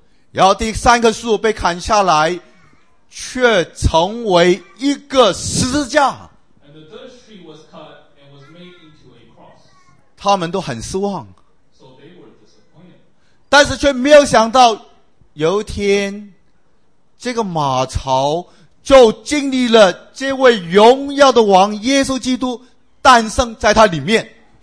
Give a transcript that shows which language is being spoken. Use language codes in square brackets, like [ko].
[zh] 然后第三棵树被砍下来，却成为一个十字架。 [en] And the third tree was cut and was made into a cross. [zh] 他们都很失望。 [en] So they were disappointed. [zh] 但是却没有想到，有一天，这个马槽就经历了这位荣耀的王耶稣基督诞生在他里面。